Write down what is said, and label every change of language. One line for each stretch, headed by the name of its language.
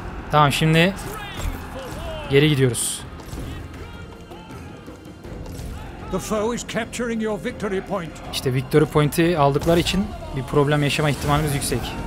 Turkish: Tamam şimdi geri gidiyoruz.
English: The foe is capturing your victory point.
Turkish: İşte victory point'i aldıkları için bir problem yaşama ihtimalimiz yüksek.